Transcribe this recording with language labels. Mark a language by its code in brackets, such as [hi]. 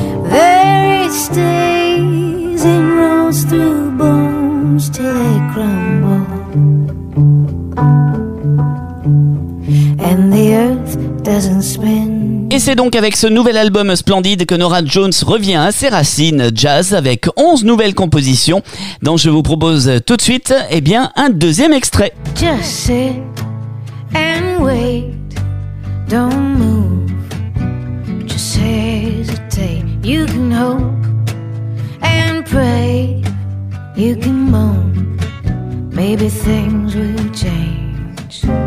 [en] There it stays and rolls through bones till they crumble, and the earth doesn't spin. [fr] Et c'est donc avec ce nouvel album splendide que Norah Jones revient à ses racines jazz avec 11 nouvelles compositions dont je vous propose tout de suite eh bien, un deuxième extrait. [en] Just sit and wait, don't move, just hesitate, you can hope and pray, you can moan, maybe things will change.